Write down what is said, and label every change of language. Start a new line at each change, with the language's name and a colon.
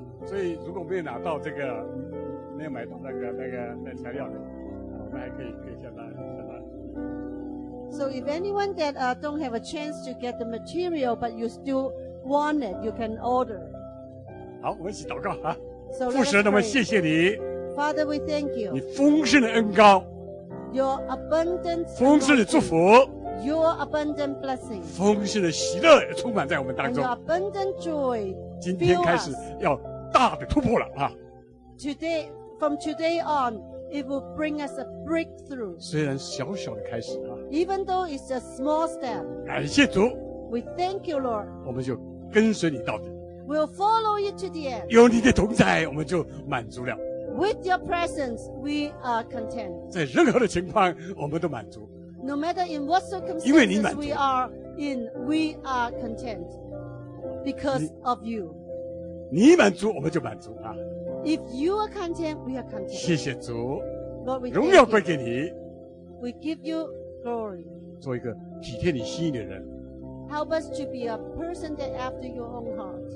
Chinese: 所以如果没有拿到这个。没有买到那材料的，我们还可以先拿。
English: So if anyone that don't have a chance to get the material, but you still want it, you can order.
Chinese: 好，我们一起祷告啊。
English: So
Chinese: 父神，我们谢谢你。
English: Father, we thank you.
Chinese: 你丰盛的恩膏。
English: Your abundant.
Chinese: 丰盛的祝福。
English: Your abundant blessing.
Chinese: 丰盛的喜乐也充满在我们当中。
English: And your abundant joy.
Chinese: 今天开始要大的突破了啊。
English: Today, from today on, it will bring us a breakthrough.
Chinese: 虽然小小的开始啊。
English: Even though it's a small step.
Chinese: 感谢主。
English: We thank you, Lord.
Chinese: 我们就跟随你到底。
English: We'll follow you to the end.
Chinese: 有你的同在，我们就满足了。
English: With your presence, we are content.
Chinese: 在任何的情况，我们都满足。
English: No matter in what circumstances we are in, we are content because of you.
Chinese: 你满足，我们就满足啊。
English: If you are content, we are content.
Chinese: 谢谢主，
English: Lord, we
Chinese: 荣耀归给你。
English: We give you glory.
Chinese: 做一个体贴你心意的人。
English: Help us to be a person that after your own heart.